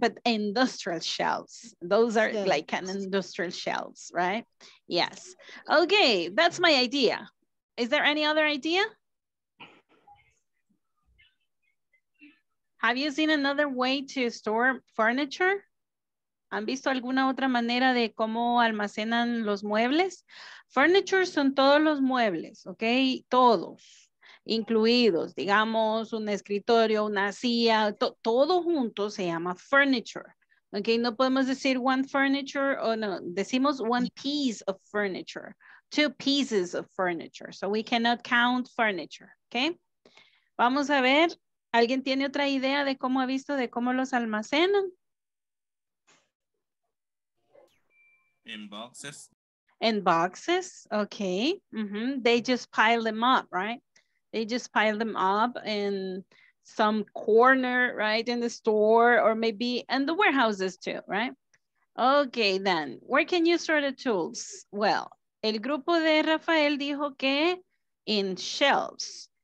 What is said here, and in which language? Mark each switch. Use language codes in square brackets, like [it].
[en] But industrial shelves, those are like an industrial shelves, right? Yes. Okay, that's my idea. Is there any other idea? Have you seen another way to store furniture? [es] ¿Han visto alguna otra manera de cómo almacenan los muebles? Furniture son todos los muebles, ¿ok? Todos, incluidos, digamos, un escritorio, una silla, todo junto se llama furniture, ¿ok? No podemos decir [en] one furniture, [es] o no, decimos [en] one piece of furniture, two pieces of furniture, so we cannot count furniture, ¿ok? [es] Vamos a ver, ¿alguien tiene otra idea de cómo ha visto, de cómo los almacenan? [en] In boxes. In boxes, okay. Mm-hmm. They just pile them up, right? They just pile them up in some corner, right? In the store or maybe in the warehouses too, right? Okay, then, where can you store the tools? [es] Well, el grupo de Rafael dijo que [en] in shelves.